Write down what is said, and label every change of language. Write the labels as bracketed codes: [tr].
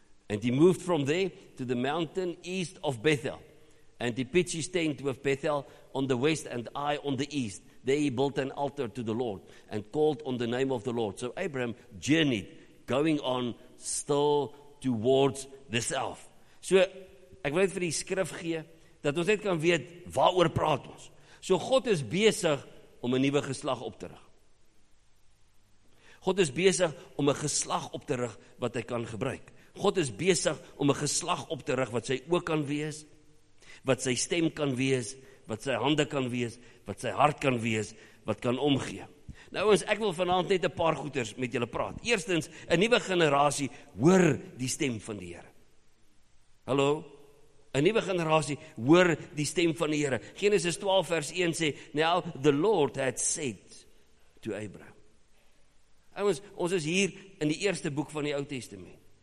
[en] And he moved from there to the mountain east of Bethel. And he pitched his tent with Bethel on the west and Ai on the east. There he built an altar to the Lord and called on the name of the Lord. So Abraham journeyed, going on still towards the south. [af] So, ek wil net vir die skrif gee, dat ons net kan weet, waaroor praat ons. So God is besig om 'n nuwe geslag op te rig. God is besig om 'n geslag op te rig wat hy kan gebruik. God is besig om 'n geslag op te rig wat sy oë kan wees, wat sy stem kan wees, wat sy hande kan wees, wat sy hart kan wees, wat kan omgee. Nou ons, ek wil vanavond net 'n paar goeters met julle praat. Eerstens, 'n nuwe generasie hoor die stem van die Here. Hallo? 'N nuwe generasie hoor die stem van die Here. Genesis 12 vers 1 sê, [en] Now the Lord had said to Abraham. [af] Ons is hier in die eerste boek van die Ou Testament.